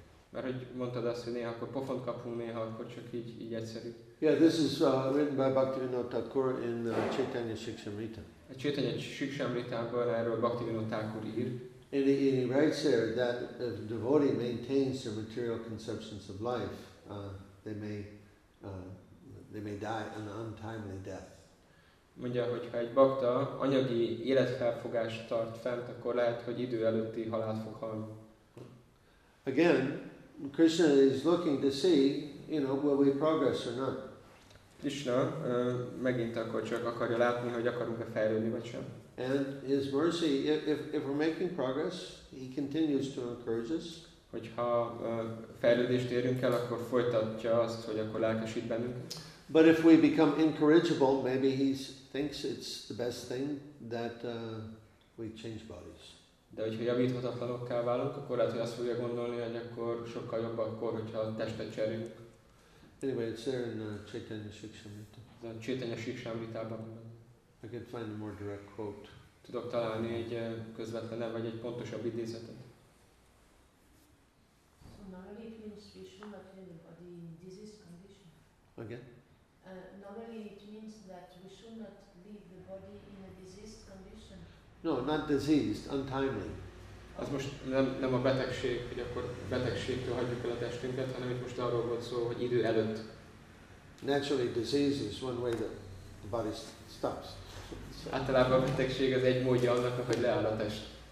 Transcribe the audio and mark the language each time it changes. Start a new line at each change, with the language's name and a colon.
Hungarian: Mert hogy mondtad azt, hogy néha akkor pofont kapunk, néha akkor csak így egyszerű.
English: Yeah, this is written by Bhaktivinoda Thakur in Chaitanya Shikshamrita.
Hungarian: Chaitanya Shikshamrita-ban erről Bhaktivinoda Thakur ír.
English: And he writes there that if a devotee maintains their material conceptions of life, they may die an untimely death.
Hungarian: Mondja, hogy ha egy bakta anyagi életfelfogást tart fent, akkor lehet, hogy idő előtti halált fog halni.
English: Again, Krishna is looking to see, you know, will we progress or not?
Hungarian: Krishna megint akkor csak akarja látni, hogy akarunk-e fejlődni vagy sem.
English: And his mercy, if we're making progress, he continues to encourage us.
Hungarian: Hogyha fejlődést érünk el, akkor folytatja azt, hogy akkor lelkesít bennünk.
English: But if we become incorrigible, maybe he thinks it's the best thing that we change bodies.
Hungarian: De hogyha javíthatatlanokká válunk, akkor lehet, hogy azt fogja gondolni, hogy akkor sokkal jobb akkor, hogyha testet cserünk.
English: Anyway, it's there in Chaitanya Shikshamrita.
Hungarian: A Chaitanya Shikshamritában.
English: I can find a more direct quote.
Hungarian: Tudok találni egy közvetlenebb vagy egy pontosabb idézetet.
English: So normally it means we should not have the body in disease condition. Again? Normally it means that we should not leave the body in a diseased condition. No, not diseased, untimely.
Hungarian: Az most nem a betegség, hogy akkor betegségtől hagyjuk el a testünket, hanem itt most arról volt szó, hogy idő előtt.
English: Naturally, disease is one way that the body stops. So.
Hungarian: Általában a betegség az egy módja annak, hogy leáll a test.